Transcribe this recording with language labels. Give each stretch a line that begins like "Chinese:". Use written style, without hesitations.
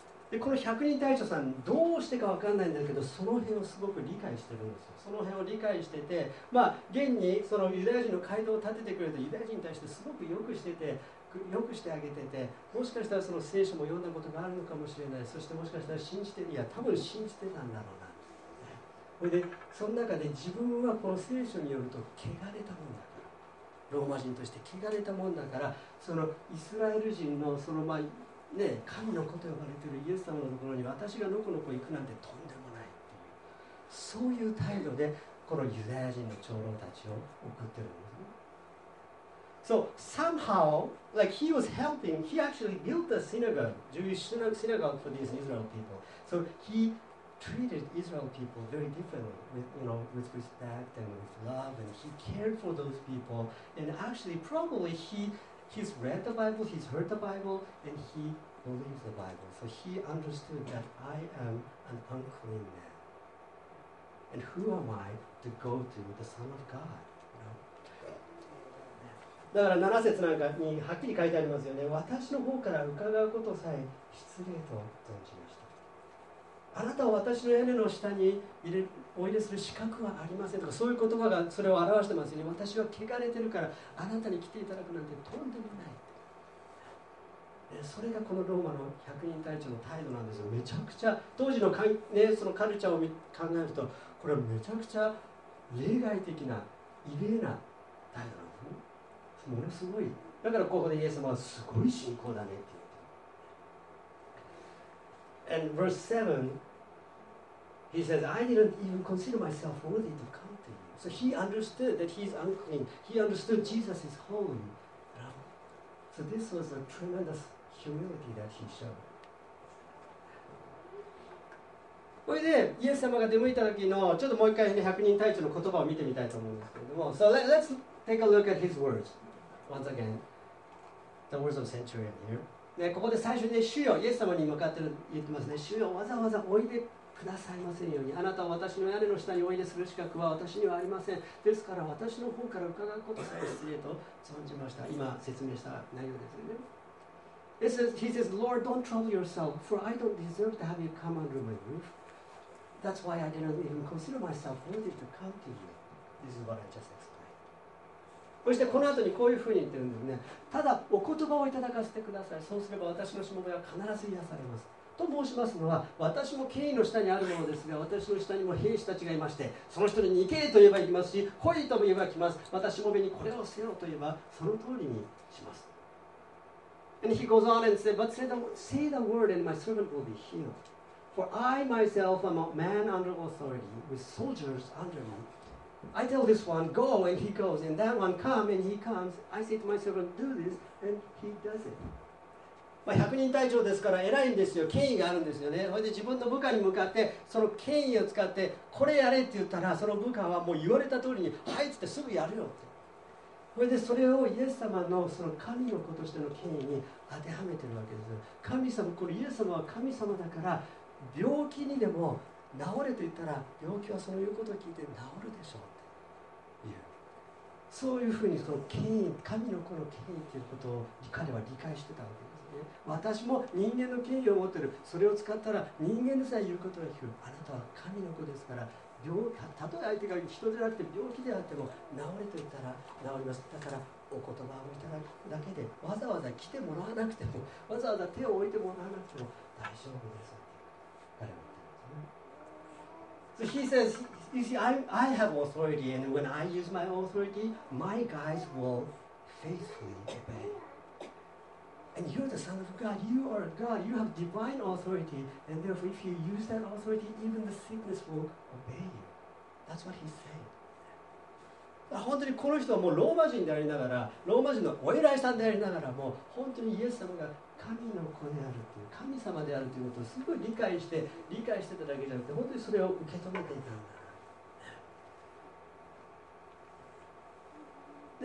Japanese: で、この百人隊長さん、どうしてか分かんないんだけど、その辺をすごく理解してるんですよ。その辺を理解してて、まあ現にそのユダヤ人の街道を立ててくれたユダヤ人に対してすごくよくしてて、よくしてあげてて、もしかしたらその聖書も読んだことがあるのかもしれない、そしてもしかしたら信じて、いや多分信じてたんだろうな。それでその中で自分はこの聖書によると汚れたもんだから、ローマ人として汚れたもんだから、そのイスラエル人のそのまあね、神の子と呼ばれているイエス様のところに私がのこのこ行くなんてとんでもないっていう、そういう態度でこのユダヤ人の長老たちを送ってるんですね。
English: So somehow, like he was helping, he actually built the synagogue, Jewish synagogue for these Israel people. So he treated Israel people very differently, with, you know, with respect and with love, and he cared for those people. And actually, probably he's read the Bible, he's heard the Bible, and he believes the Bible. So he understood that I am an unclean man. And who am I to go to the Son of God?
Japanese: だから7節なんかにはっきり書いてありますよね。私の方から伺うことさえ失礼と存じました。あなたは私の屋根の下に入れお入れする資格はありませんとか、そういう言葉がそれを表してますよね。私は汚れてるからあなたに来ていただくなんてとんでもない。それがこのローマの百人隊長の態度なんですよ。めちゃくちゃ、当時の、ね、そのカルチャーを考えると、これはめちゃくちゃ例外的な、異例な態度なんですね。ものすごい。だからここでイエス様はすごい信仰だねって言って。
English: And verse 7, he says, I didn't even consider myself worthy to come to you. So he understood that he's unclean. He understood Jesus is holy. So this was a tremendous humility that he showed.
Japanese: これでイエス様が出向いた時のちょっともう一回ね、百人隊長の言葉を見てみたいと思うんですけれども。
English: So let's take a look at his words. Once again, the words of centurion here.
Japanese: ね、ここで最初に、ね、主よ、イエス様に向かって言ってますね。主よ、わざわざおいでくださいませんように。あなたは私の屋根の下においでする資格は私にはありません。ですから私の方から伺うことさえ失礼と存じました。今説明した内容ですね。
English: He says, Lord, don't trouble yourself, for I don't deserve to have you come under my roof. That's why I didn't even consider myself worthy to come to you. This is what I just said.
Japanese: そしてこの後にこういうふうに言ってるんですね。ただお言葉をいただかせてください。そうすれば私のしもべは必ず癒されます。と申しますのは、私も権威の下にあるものですが、私の下にも兵士たちがいまして、その人に逃げと言えば行きますし、来いとも言えば来ます。またしもべにこれをせよと言えば、その通りにします。
English: And he goes on and says, But say the word and my servant will be healed. For I myself am a man under authority, with soldiers under me. I tell this one, go, and he goes, and that one, come, and he comes. I say to my servant, do this, and he does it.
Japanese: まあ、百人隊長ですから偉いんですよ。権威があるんですよね。それで自分の部下に向かって、その権威を使って、これやれって言ったら、その部下はもう言われた通りに、はいってすぐやるよって。それでそれをイエス様のその神の子としての権威に当てはめてるわけです。神様、これイエス様は神様だから、病気にでも、治れと言ったら病気はその言うことを聞いて治るでしょうって言う。そういうふうにその権威、神の子の権威ということを彼は理解してたわけですね。私も人間の権威を持ってる。それを使ったら人間でさえ言うことが聞く。あなたは神の子ですから、たとえ相手が人でなくて病気であっても治れと言ったら治ります。だからお言葉をいただくだけで、わざわざ来てもらわなくても、わざわざ手を置いてもらわなくても大丈夫です。
English: So he says, you see, I have authority, and when I use my authority, my guys will faithfully obey. And you're the Son of God, you are God, you have divine authority, and therefore if you use that authority, even the sickness will obey you. That's what he's saying.
Japanese: 本当にこの人はもうローマ人でありながら、ローマ人のお偉いさんでありながらも、本当にイエス様が神の子であるという、神様であるということをすごい理解してただけじゃなくて、本当にそれを受け止めていたんだ。